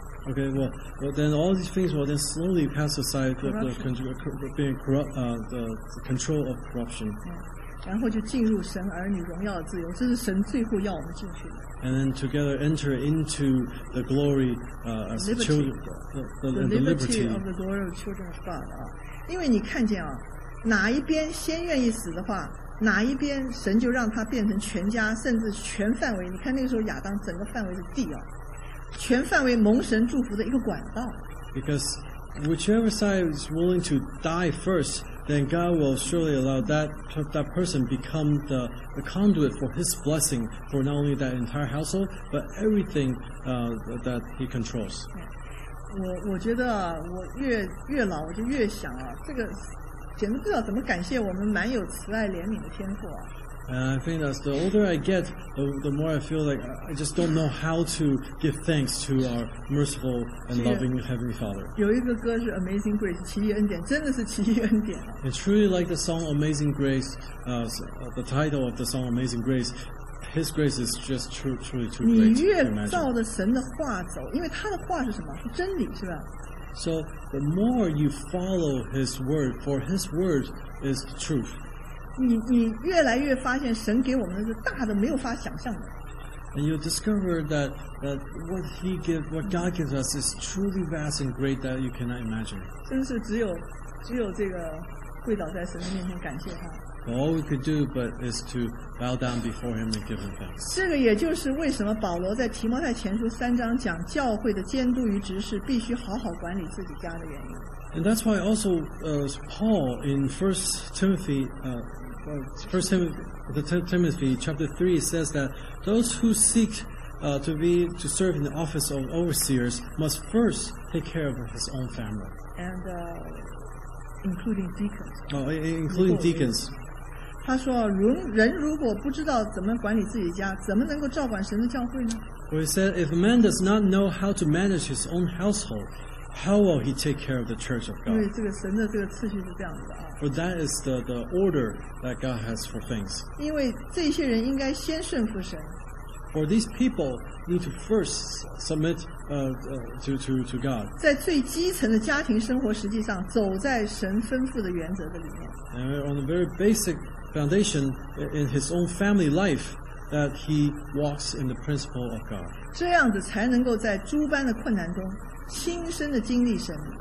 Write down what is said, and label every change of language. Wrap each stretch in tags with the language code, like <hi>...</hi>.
<en>Okay, well, then all these things will then slowly pass aside the control of corruption. And then together enter into the glory as liberty, children, the liberty of the glory of children of God.</en> <zh>因为你看见啊，哪一边先愿意死的话。哪一边神就让他变成全家甚至全范围你看那个时候亚当整个范围是地啊全范围蒙神祝福的一个管道</zh> <en>because whichever side is willing to die first then God will surely allow that person become the conduit for his blessing for not only that entire household but everything that he controls</en> <zh>我觉得、啊、我 越老我就越想啊这个简直不知道怎么感谢我们蛮有慈爱怜悯的天父啊</zh> <en>I think that the older I get, the more I feel like I just don't know how to give thanks to our merciful and loving Heavenly Father.</en> <zh>有一个歌是 Amazing Grace, 奇异恩典，真的是奇异恩典。</zh> <en>I truly like the song Amazing Grace, the title of the song Amazing Grace, His grace is just truly too great.</en> <zh>你越照着神的话走，因为他的话是什么？是真理，是吧？</zh> <en>So the more you follow His word, for His word is the truth.</en> <zh>你越来越发现神给我们的是大的没有法想象的。</zh> <en>And you'll discover that what God gives us is truly vast and great that you cannot imagine.</en> <zh>真是只有这个跪倒在神的面前感谢他。</zh> <en>But all we could do but is to bow down before Him and give Him thanks.</en> <zh>这个也就是为什么保罗在提摩太前书三章讲教会的监督与执事必须好好管理自己家的原因。</zh> <en>And that's why also Paul in First Timothy chapter 3 says that those who seek to serve in the office of overseers must first take care of his own family. And including deacons. Including deacons.</en> <zh>他说人如果不知道怎么管理自己家怎么能够照管神的教会呢</zh> <en>Well, he said, if a man does not know how to manage his own household, how will he take care of the church of God?</en> <zh>因为这个神的这个次序是这样子的啊。</zh> <en>For that is the order that God has for things.</en> <zh>因为这些人应该先顺服神。</zh> <en>For these people need to first submit to God.</en> <zh>在最基层的家庭生活实际上走在神吩咐的原则的里面。</zh> <en>And on the very basic foundation in his own family life that he walks in the principle of God.</en> <zh>这样子才能够在诸般的困难中亲身的经历神。</zh>